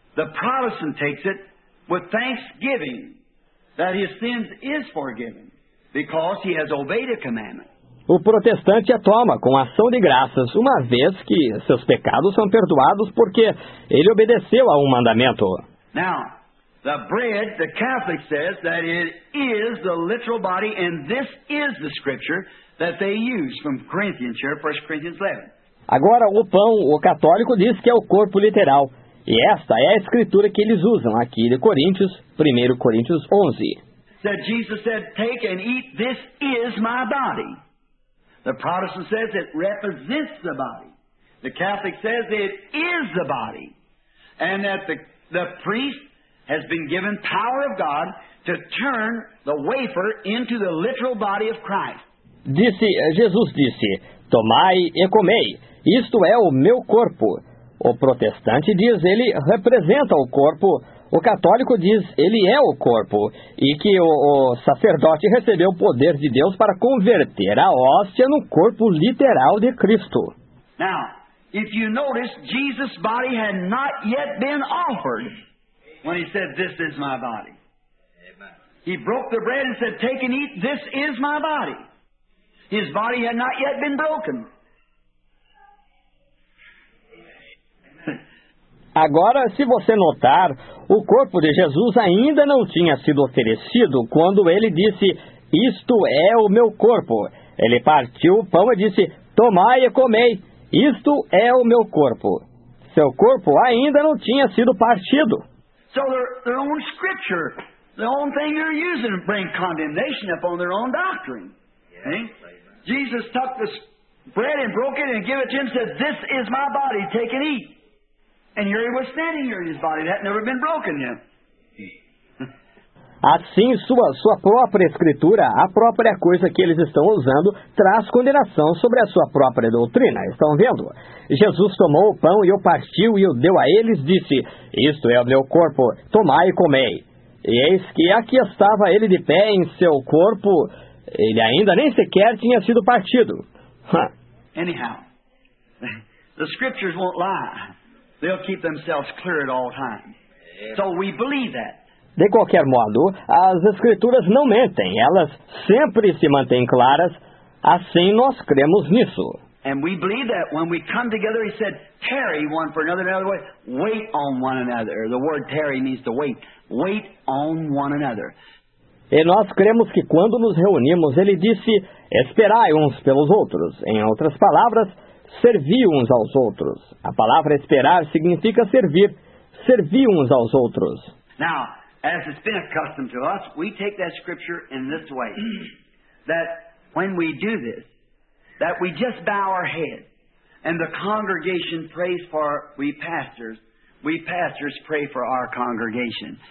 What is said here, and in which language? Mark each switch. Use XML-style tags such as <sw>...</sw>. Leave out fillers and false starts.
<en>The Protestant takes it with thanksgiving that his sins is forgiven, because he has obeyed a commandment.</en> <pt>O protestante a toma com ação de graças, uma vez que seus pecados são perdoados porque ele obedeceu a um mandamento.</pt> <en>Now, the bread, the Catholic says that it is the literal body, and this is the scripture that they use from Corinthians here, 1 Corinthians 11.</en> <pt>Agora, o pão, o católico diz que é o corpo literal, e esta é a escritura que eles usam aqui de Coríntios, 1 Coríntios 11.</pt> <en>That Jesus said, take and eat, this is my body. The Protestant says it represents the body. The Catholic says it is the body. And that the priest has been given power of God to turn the wafer into the literal body of Christ.</en> <pt>Jesus disse, tomai e comei, isto é o meu corpo. O protestante diz, ele representa o corpo. O católico diz, ele é o corpo, e que o sacerdote recebeu o poder de Deus para converter a hóstia no corpo literal de Cristo.</pt> <en>Now, if you notice, Jesus' body had not yet been offered when he said, this is my body. Amen. He broke the bread and said, take and eat, this is my body. His body had not yet been broken.</en> <pt>Agora, se você notar, o corpo de Jesus ainda não tinha sido oferecido quando ele disse, isto é o meu corpo. Ele partiu o pão e disse, Tomai e comei, isto é o meu corpo. Seu corpo ainda não tinha sido partido.</pt> <en>So their own scripture, the own thing they're using to bring condemnation upon their own doctrine. Jesus took this bread and broke it and gave it to him and said, this is my body, take and eat. And here he was standing here in his body, that had never been broken yet.</en> <pt>Assim, sua própria escritura, a própria coisa que eles estão usando, traz condenação sobre a sua própria doutrina. Estão vendo? Jesus tomou o pão e o partiu e o deu a eles, disse, isto é o meu corpo, tomai e comei. E eis que aqui estava ele de pé em seu corpo, ele ainda nem sequer tinha sido partido.</pt> <en>Anyhow, the scriptures won't lie. They'll keep themselves clear at all times. So we believe that.</en> <pt>De qualquer modo, as escrituras não mentem, elas sempre se mantêm claras, assim nós cremos nisso.</pt> <en>And we believe that when we come together, he said, tarry one for another, another way, wait on one another. The word tarry means to wait, wait on one another.</en> <pt>E nós cremos que quando nos reunimos, ele disse, esperai uns pelos outros. Em outras palavras, servi uns aos outros. A palavra esperar significa servir, servi uns aos outros.</pt> <en>Now, as it's been accustomed to us, we take that scripture in this way, that when we do this, that we just bow our head, and the congregation prays for we pastors pray for our congregation.</en>